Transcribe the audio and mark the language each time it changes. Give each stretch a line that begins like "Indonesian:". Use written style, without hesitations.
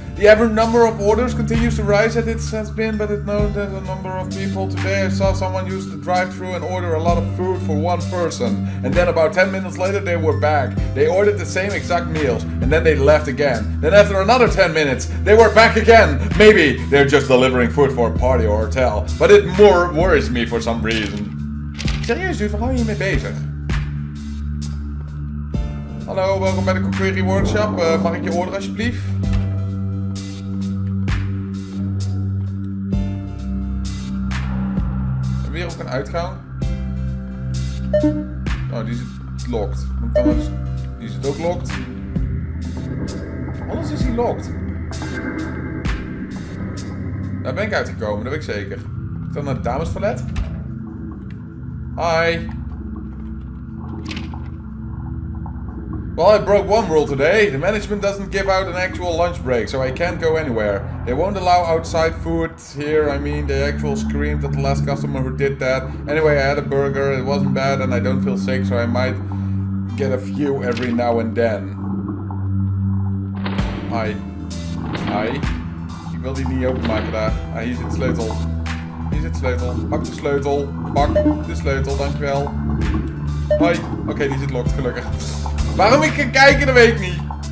English: The average number of orders continues to rise as it has been, but it known that the number of people today. I saw someone use the drive-thru and order a lot of food for one person. And then about 10 minutes later they were back. They ordered the same exact meals, and then they left again. Then after another 10 minutes, they were back again. Maybe they're just delivering food for a party or a hotel. But it more worries me for some reason.
Dutch: Serieus, dude, waar hou je hiermee bezig? Hallo, welkom bij de Query Workshop. Mag ik je order alsjeblieft? Hier ook een uitgang. Oh, die zit locked. Want anders, die zit ook locked. Anders is die locked. Daar ben ik uitgekomen, dat weet ik zeker. Ik ga naar het dames toilet.
English: Hi. Well, I broke one rule today. The management doesn't give out an actual lunch break, so I can't go anywhere. They won't allow outside food here. I mean, they actually screamed at the last customer who did that. Anyway, I had a burger. It wasn't bad, and I don't feel sick, so I might get a few every now and then. Hi. Hi.
Dutch: Ik wil die niet openmaken daar. Ah, hier zit sleutel. Hier zit sleutel. Pak de sleutel. Pak de sleutel, dankjewel. Hoi. Oké, die zit locked, gelukkig. Waarom ik kan kijken, dat weet ik niet.